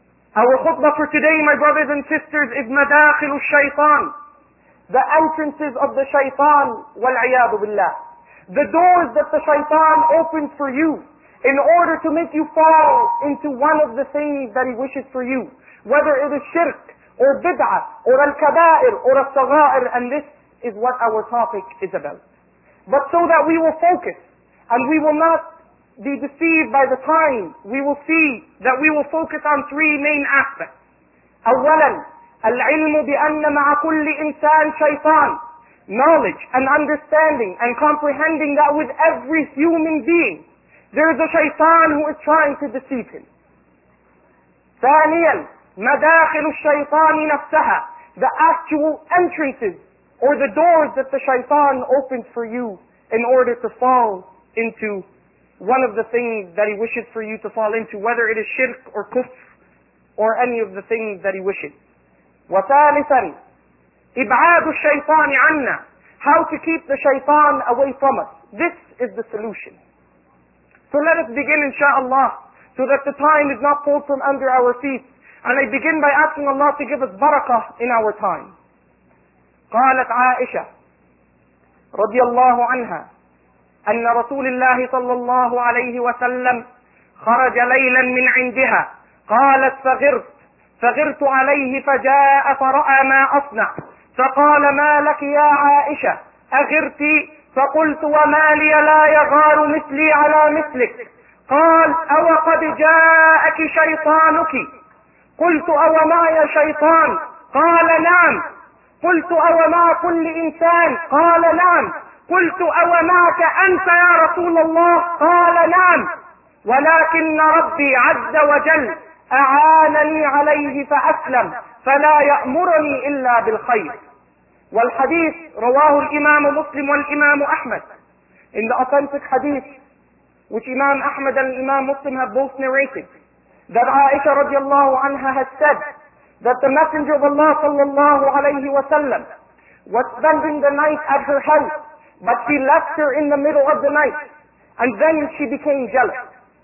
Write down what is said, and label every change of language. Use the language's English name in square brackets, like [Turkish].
[English] Our khutbah for today, my brothers and sisters, is [Arabic] madakhil al-shaytan, [English] the entrances of the shaytan, [Arabic] wal-iyadu billah, [English] the doors that the shaytan opens for you in order to make you fall into one of the things that he wishes for you, whether it is shirk or bid'ah or al-kabair or al-saghair. And this is what our topic is about. But so that we will focus and we will not be deceived by the time, we will see that we will focus on three main aspects. [Arabic] أولاً العلم بأن مع كل إنسان شيطان. [English] Knowledge and understanding and comprehending that with every human being there is a shaitan who is trying to deceive him. [Arabic] ثانياً مداخل الشيطان نفسها. [English] The actual entrances or the doors that the shaitan opens for you in order to fall into one of the things that he wishes for you to fall into, whether it is shirk or kufr or any of the things that he wishes. [Arabic] وثالثاً إبعاد الشيطان عنا. [English] How to keep the shaitan away from us. This is the solution. So let us begin inshaAllah, so that the time is not pulled from under our feet. And I begin by asking Allah to give us barakah in our time. [Arabic] قالت عائشة رضي الله عنها أن رسول الله صلى الله عليه وسلم خرج ليلا من عندها قالت فغرت عليه فجاء فرأى ما أصنع فقال ما لك يا عائشة أغرتي فقلت وما لي لا يغار مثلي على مثلك قال أو قد جاءك شيطانك قلت أو ما يا شيطان قال نعم قلت أو ما كل إنسان قال نعم قلت أو ماك أنت يا رسول الله قال نعم ولكن ربي عز وجل أعانني عليه فأسلم فلا يأمرني إلا بالخير. والحديث رواه الإمام مسلم والإمام أحمد. [English] In the authentic hadith, which Imam Ahmad and Imam Muslim have both narrated, that Aisha radiallahu anha has said that the Messenger of Allah sallallahu alayhi wa sallam was spending the night at her house, but she left her in the middle of the night, and then she became jealous.